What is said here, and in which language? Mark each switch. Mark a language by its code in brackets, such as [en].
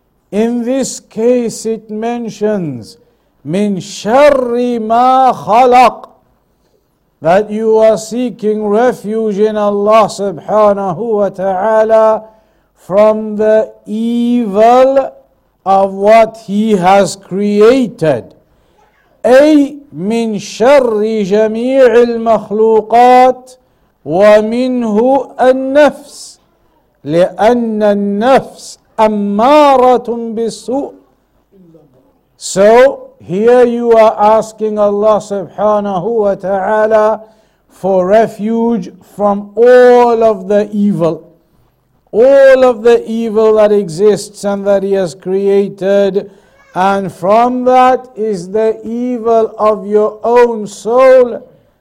[en] In this case it mentions [ar] min sharri ma khalaq, [en] that you are seeking refuge in Allah subhanahu wa ta'ala from the evil of what He has created. [ar] أي من شر جميع المخلوقات ومنه النفس لأن النفس أمارة بالسوء. [en] So here you are asking Allah subhanahu wa ta'ala for refuge from all of the evil. All of the evil that exists and that He has created. And from that is the evil of your own soul.